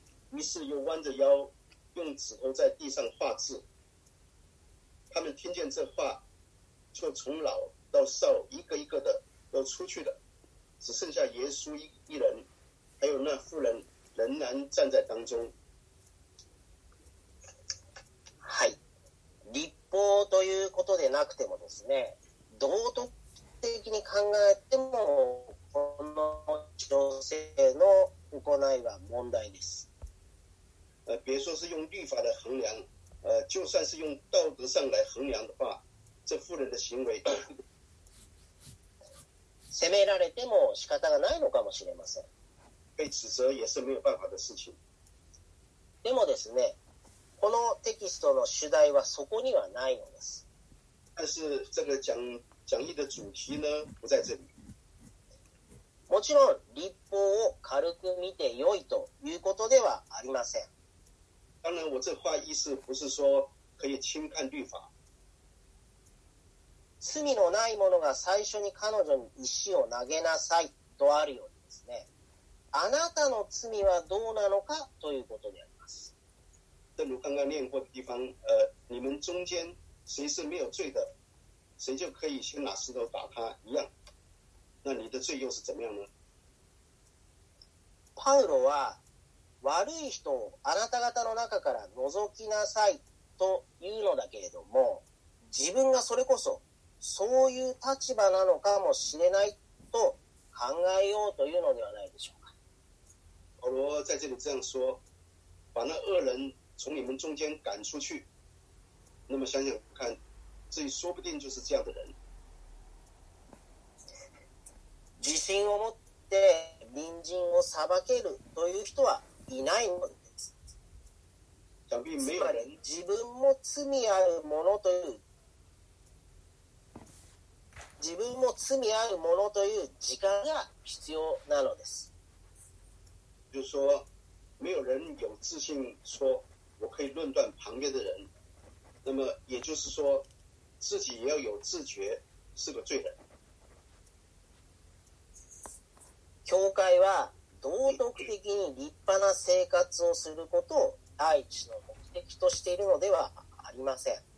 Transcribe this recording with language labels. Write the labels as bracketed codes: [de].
[zh] 于是又弯着腰用指头在地上画字。他们听见这话，就从老到少一个一个的都出去了，只剩下耶稣一人还有那妇人仍然站在当中。 [ja] はい、立法ということでなくてもですね、道徳的に考えてもこの女性の行いは問題です。 [zh] 别说是用律法来衡量，就算是用道德上来衡量的话，这妇人的行为 [ja] 責められても仕方がないのかもしれません。 [zh] 被指責也是没有办法的事情。 [ja] でもですね、このテキストの主題はそこにはないのです。 [zh] 但是这个讲义的主题呢不在这里。 [ja] もちろん立法を軽く見て良いということではありません。 [zh] 当然我这话意思不是说可以轻看律法。 [ja] 罪のない者が最初に彼女に石を投げなさいとあるようにですね、あなたの罪はどうなのかということであります。 [zh] 正如刚刚念过的地方，你们中间谁是没有罪的，谁就可以先拿石头打他一样，那你的罪又是怎么样呢？ [ja] パウロは悪い人をあなた方の中から除きなさいというのだけれども、自分がそれこそそういう立場なのかもしれないと考えようというのではないでしょうか。 [zh] 保罗在这里这样说，把那恶人从你们中间赶出去，那么想想看，自己说不定就是这样的人。 [ja] 自信を持って隣人を裁けるという人はいないのです。 [zh] 想必没有人。 [ja] 自分も罪あるものという自分も罪あるものという時間が必要なのです。 [zh] 就是说，没有人有自信说我可以论断旁边的人，那么也就是说，自己也要有自觉是个罪人。 [ja] 教会は道徳的に立派な生活をすることを第一の目的としているのではありません。